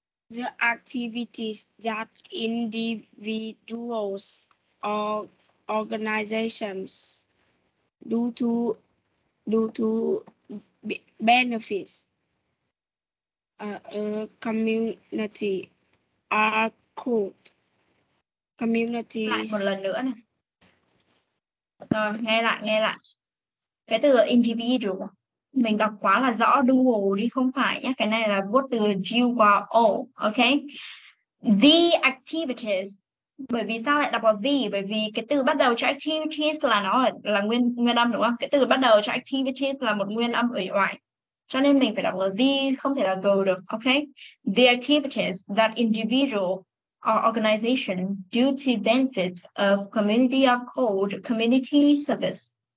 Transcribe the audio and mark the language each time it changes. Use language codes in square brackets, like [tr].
[en] The activities that individuals or organizations do to benefit a community are called community. [vi] Lại một lần nữa này. Rồi, nghe lại. Cái từ individual mình đọc quá là rõ dual đi, không phải nhé. Cái này là vuốt từ dual qua o, ok? [en] The activities. [vi] Bởi vì sao lại đọc vào the? Bởi vì cái từ bắt đầu cho activities là nó là nguyên âm đúng không? Cái từ bắt đầu cho activities là một nguyên âm ở ngoài. Cho nên mình phải đọc vào the, không thể là go được, ok? [en] The activities that individual or organization do to benefit of community are called community service.